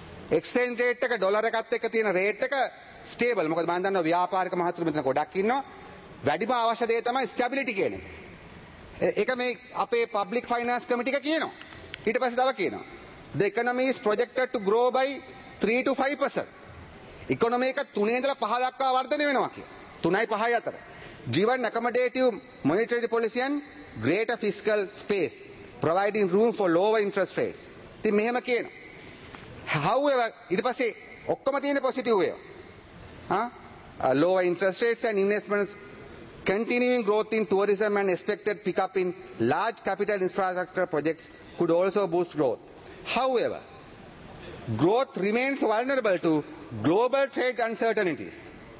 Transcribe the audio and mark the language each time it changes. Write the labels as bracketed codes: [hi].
[si] exchange rate එක dollar එකත් එක්ක තියෙන rate එක stable. මොකද මම දන්නවා ව්‍යාපාරික මහතුරු මෙතන ගොඩක් ඉන්නවා. වැඩිම අවශ්‍ය දේ තමයි stability කියන්නේ. ඒක මේ අපේ public finance committee එක කියනවා. ඊට පස්සේ තව කියනවා [en] the economy is projected to grow by 3 to 5%. [si] economy එක 3 ඉඳලා 5 දක්වා වර්ධනය වෙනවා කියලා. [en] 3.5 අතර given accommodative monetary policy and greater fiscal space providing room for lower interest rates. [si] ඉතින් මෙහෙම කියනවා. however ඊට පස්සේ ඔක්කොම තියෙන positive ඒවා. [en] lower interest rates and investments continuing growth in tourism and expected pick up in large capital infrastructure projects could also boost growth. however growth remains vulnerable to global trade uncertainties.